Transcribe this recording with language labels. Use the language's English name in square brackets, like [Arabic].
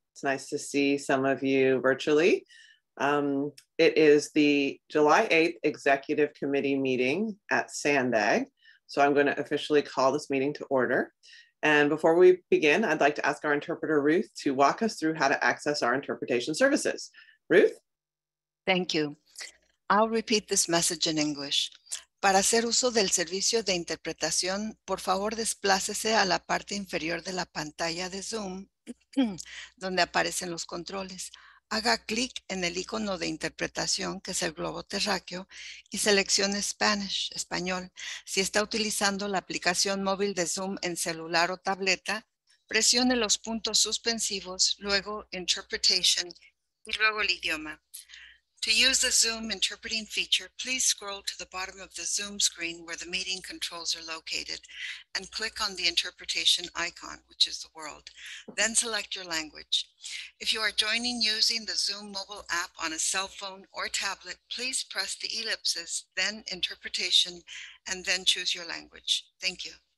[English] It's nice to see some of you virtually. It is the July 8th Executive Committee meeting at Sandbag. So I'm gonna officially call this meeting to order. And before we begin, I'd like to ask our interpreter, Ruth, to walk us through how to access our interpretation services. Ruth? Thank you. I'll repeat this message in English. [Spanish] Para hacer uso del servicio de interpretación, por favor desplácese a la parte inferior de la pantalla de Zoom, donde aparecen los controles. Haga clic en el icono de interpretación, que es el globo terráqueo, y seleccione Spanish, español. Si está utilizando la aplicación móvil de Zoom en celular o tableta, presione los puntos suspensivos, luego Interpretation, y luego el idioma. [English] To use the Zoom interpreting feature, please scroll to the bottom of the Zoom screen where the meeting controls are located and click on the interpretation icon, which is the world. Then select your language. If you are joining using the Zoom mobile app on a cell phone or tablet, please press the ellipses, then interpretation, and then choose your language. Thank you.